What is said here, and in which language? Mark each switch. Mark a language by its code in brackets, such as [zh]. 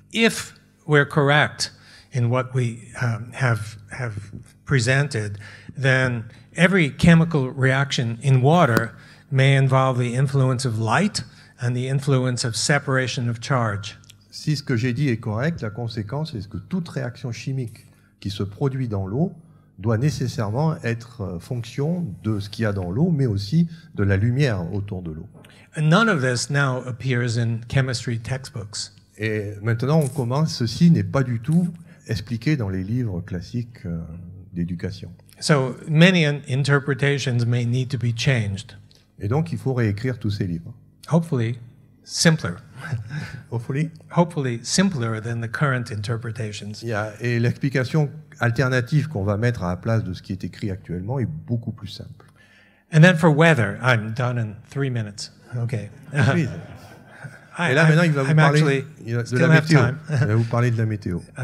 [en] If we're correct in what we have presented, then every chemical reaction in water may involve the influence of light and the influence of separation of charge. [fr] Si ce que j'ai dit est correct, la conséquence est que toute réaction chimique qui se produit dans l'eau doit nécessairement être fonction de ce qu'il y a dans l'eau, mais aussi de la lumière autour de l'eau. [en] And none of this now appears in chemistry textbooks. [fr] Et maintenant, on commence, ceci n'est pas du tout expliqué dans les livres classiques d'éducation. [en] So many interpretations may need to be changed. [fr] Et donc, il faut réécrire tous ces livres. [en] Hopefully, simpler. Hopefully simpler than the current interpretations. [fr] Yeah, et l'explication alternative qu'on va mettre à la place de ce qui est écrit actuellement est beaucoup plus simple. [en] And then for weather, I'm done in 3 minutes. Okay. [fr] Et là, maintenant, il va vous parler de la météo.